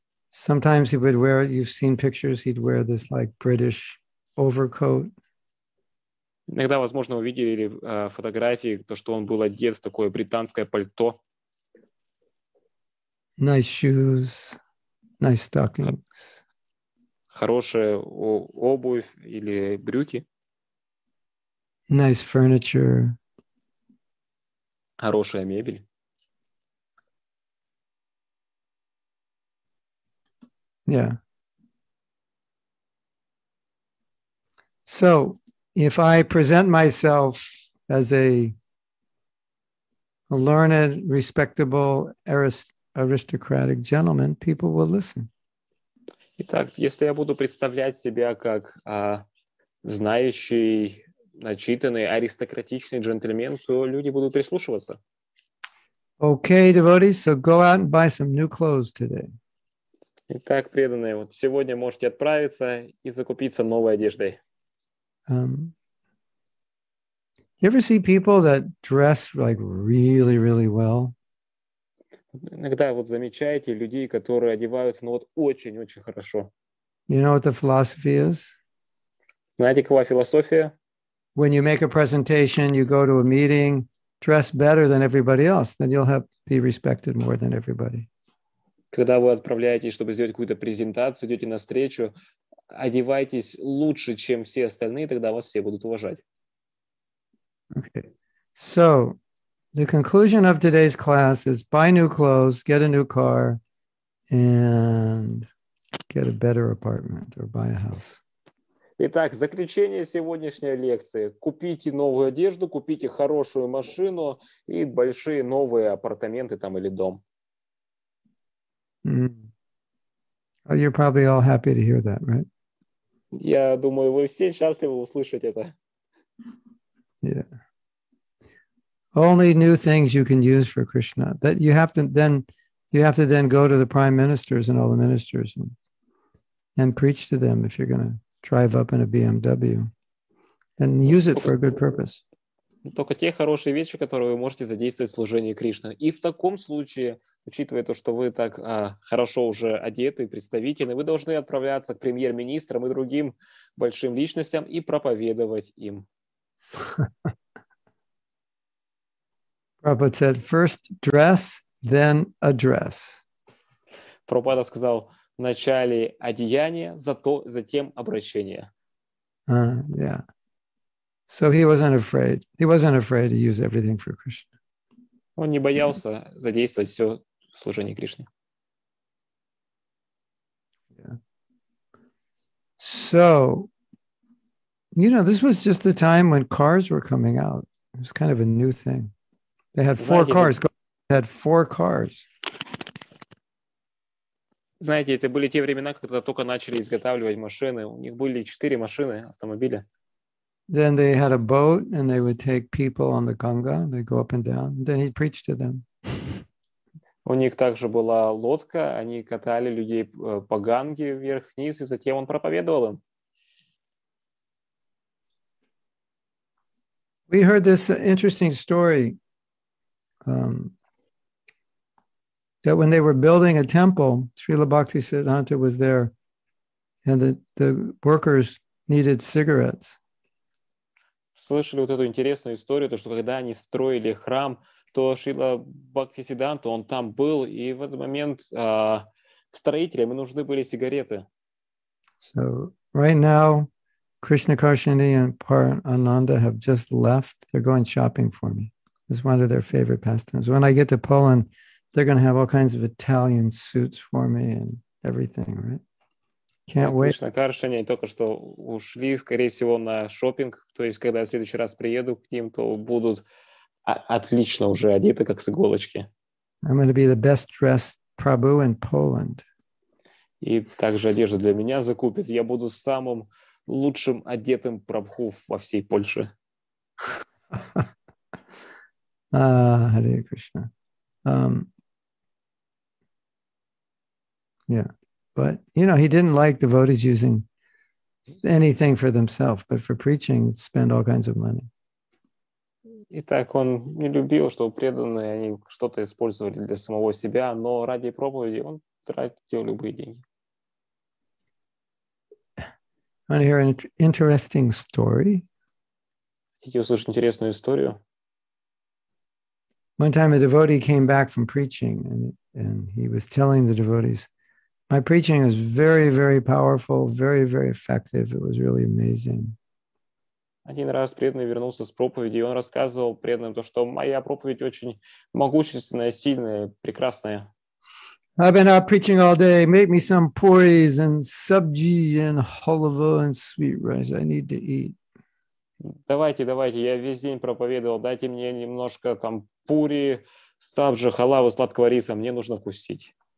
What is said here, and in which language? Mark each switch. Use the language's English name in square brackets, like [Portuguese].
[English] Sometimes he would wear, you've seen pictures, he'd wear this like British overcoat. [Russian] Иногда, возможно, вы видели фотографии, то, что он был одет в такое британское пальто. [English] Nice shoes, nice stockings. [Russian] Хорошая обувь или брюки. [English] Nice furniture. [Russian] Хорошая мебель. [English] Yeah. So, if I present myself as a learned, respectable aristocratic gentleman, people will listen. [Russian] Итак, если я буду представлять себя как знающий, начитанный, аристократичный джентльмен, то люди будут прислушиваться. [English] Okay, devotees, so go out and buy some new clothes today. [Russian] Итак, преданные, вот сегодня можете отправиться и закупиться новой одеждой. [English] You ever see people that dress like really, really well? [Russian] Иногда вот замечаете людей, которые одеваются, ну вот очень-очень хорошо. [English] You know what the philosophy is? [Russian] Знаете, какова философия? [English] When you make a presentation, you go to a meeting, dress better than everybody else, then you'll have be respected more than everybody. [Russian] когда вы отправляетесь, чтобы сделать какую-то презентацию, идете на встречу, одевайтесь лучше, чем все остальные, тогда вас все будут уважать. [English] Okay. So, the conclusion of today's class is buy new clothes, get a new car, and get a better apartment or buy a house. [Russian] Итак, заключение сегодняшней лекции. Купите новую одежду, купите хорошую машину и большие новые апартаменты там или дом. Mm. [English] You're probably all happy to hear that, right? [Russian] Я думаю, вы все счастливы услышать это. [English] Yeah. Only new things you can use for Krishna. That you have to then go to the prime ministers and all the ministers and preach to them if you're gonna drive up in a BMW and use it for a good purpose. [Russian] Только те хорошие вещи, которые вы можете задействовать в служении Кришне. И в таком случае, учитывая то, что вы так хорошо уже одеты, представительны, вы должны отправляться к премьер-министрам и другим большим личностям и проповедовать им. [English] Prabhupada said, first dress, then address. [Russian] Прабхупада сказал, вначале одеяние, затем обращение. [English] Yeah. So he wasn't afraid. He wasn't afraid to use everything for Krishna. [Russian] Он не боялся задействовать все в служении Кришне. [English] Yeah. So, you know, this was just the time when cars were coming out. It was kind of a new thing. They had four cars. They had four cars. [Russian] Знаете, это были те времена, когда только начали изготавливать машины. У них были четыре машины, автомобили. [English] Then they had a boat and they would take people on the Ganga. They'd go up and down. And then he'd preach to them. [Russian] У них также была лодка. Они катали людей по Ганге вверх-вниз, и затем он проповедовал им. [English] We heard this interesting story. That when they were building a temple, Srila Bhakti Siddhanta was there, and the workers needed cigarettes. [Russian] Слышали вот эту интересную историю, то что когда они строили храм, то Шрила Бхакти Сиддханта он там был, и в этот момент строителям нужны были сигареты. [English] So right now, Krishna Karshini and Parananda have just left. They're going shopping for me. It's one of their favorite pastimes. When I get to Poland, they're going to have all kinds of Italian suits for me and everything, right? Can't wait. [Russian] Krishna Karshini только что ушли, скорее всего, на шопинг. То есть, когда я в следующий раз приеду к ним, то будут отлично уже одеты, как с иголочки. [English] I'm going to be the best dressed Prabhu in Poland. [Russian] И также одежду для меня закупят. Я буду самым лучшим одетым Прабху во всей Польше. [English] Hare Krishna. Yeah, but you know, he didn't like devotees using anything for themselves, but for preaching, spend all kinds of money. [Russian] Итак, он не любил, что преданные они что-то использовали для самого себя, но ради проповеди он тратил любые деньги. [English] Want to hear an interesting story? [Russian] Хотите услышать интересную историю? [English] One time a devotee came back from preaching and he was telling the devotees, my preaching is very, very powerful, very, very effective. It was really amazing. [Russian] Один раз преданный вернулся с проповеди, и он рассказывал преданным то, что моя проповедь очень могущественная, сильная, прекрасная. [English] I've been out preaching all day. Make me some puris and sabji and halva and sweet rice. I need to eat. [Russian] Давайте, давайте, я весь день проповедовал, дайте мне немножко там пури, сабжи, халавы, сладкого риса, мне нужно вкусить.